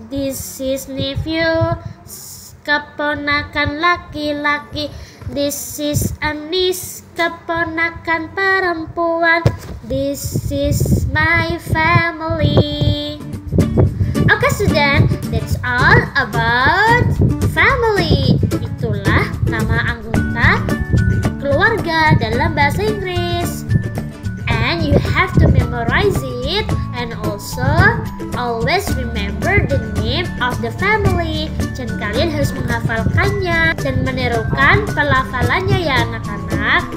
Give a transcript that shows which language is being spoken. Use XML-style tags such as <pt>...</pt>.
<en>This is nephew.</en> <id>Keponakan laki-laki.</id> <en>This is a niece.</en> <id>Keponakan perempuan.</id> <en>This is my family. Okay student, that's all about family.</en> <id>Itulah nama anggota keluarga dalam bahasa Inggris.</id> <en>And you have to memorize it. And also always remember the name of the family.</en> <id>Dan kalian harus menghafalkannya dan menirukan pelafalannya ya anak-anak.</id>